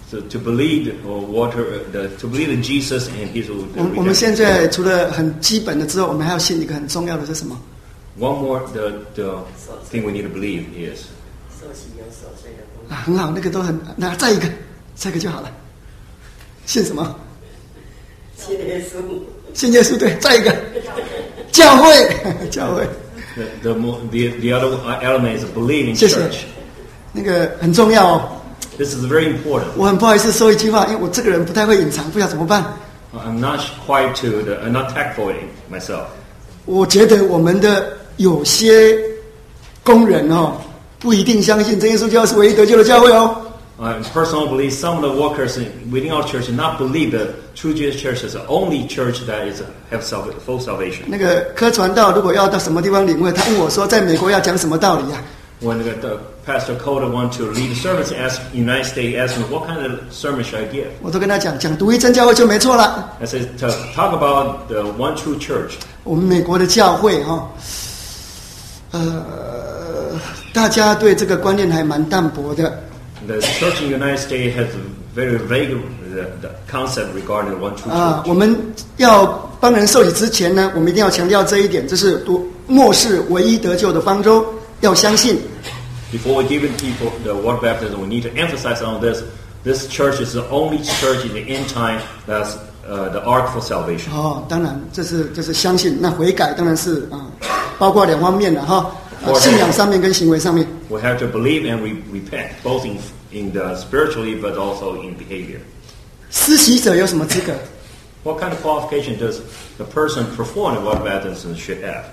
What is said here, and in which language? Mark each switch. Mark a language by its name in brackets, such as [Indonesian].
[English] To believe the water, to believe in Jesus and His redemption. [Chinese] 我们现在除了很基本的之后，我们还要信一个很重要的是什么 [English] ？One more the thing we need to believe is. [Chinese] 受洗有受洗的功。很好，那个都很那再一个，再一个就好了。信什么？信耶稣。信耶稣，对，再一个，教会，教会。 [English] The other element is believe in church. [Chinese] 谢谢那个很重要哦。 [English] This is very important. [Chinese] 我很不好意思说一句话，因为我这个人不太会隐藏，不知道怎么办。 [English] I'm not quite to the, I'm not tactful myself. [Chinese] 我觉得我们的有些工人哦，不一定相信真耶稣教是唯一得救的教会哦。 [English] I personally believe some of the workers within our church not believe the true Jesus Church is the only church that is have full salvation. [Chinese] 那个柯传道如果要到什么地方领会，他问我说，在美国要讲什么道理啊？ [English] When the pastor called him want to lead the sermons, asked United States, asked him, what kind of sermon should I give? [Chinese] 我都跟他讲，讲独一真教会就没错了。 [English] I said to talk about the one true church. [Chinese] 我们美国的教会大家对这个观念还蛮淡薄的。 [English] The church in the United States has a very vague the concept regarding the one true church. [Chinese] 我们要帮人受洗之前呢，我们一定要强调这一点，这是末世唯一得救的方舟。要相信。 [English] Before we give people the water baptism, we need to emphasize on this. This church is the only church in the end time that's the ark for salvation. [Chinese] 当然，这是相信。那悔改当然是包括两方面的信仰上面跟行为上面。 [English] We have to believe and repent, both in the spiritually but also in behavior. [Chinese] 施洗者有什么资格？ [English] What kind of qualification does the person performing water baptism should have?